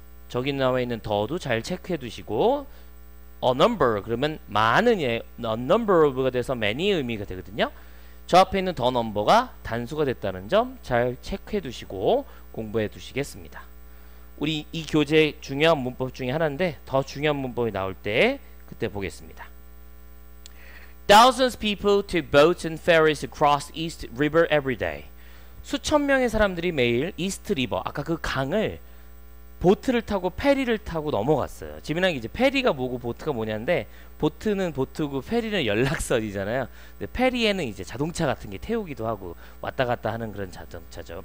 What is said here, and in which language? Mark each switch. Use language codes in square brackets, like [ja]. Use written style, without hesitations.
[ko] 저기 나와 있는 더도 잘 체크해 두시고 a number 그러면 많은 예, [en] a number of [ko] 가 돼서 many 의미가 되거든요. 저 앞에 있는 더 넘버가 단수가 됐다는 점 잘 체크해 두시고 공부해 두시겠습니다. 우리 이 교재 중요한 문법 중에 하나인데 더 중요한 문법이 나올 때 그때 보겠습니다. [en] Thousands of people took boats and ferries across East River every day. [ko] 수천 명의 사람들이 매일 이스트 리버, 아까 그 강을 보트를 타고 페리를 타고 넘어갔어요. 지민아 이제 페리가 뭐고 보트가 뭐냐인데 보트는 보트고 페리는 연락선이잖아요. 근데 페리에는 이제 자동차 같은 게 태우기도 하고 왔다 갔다 하는 그런 자동차죠.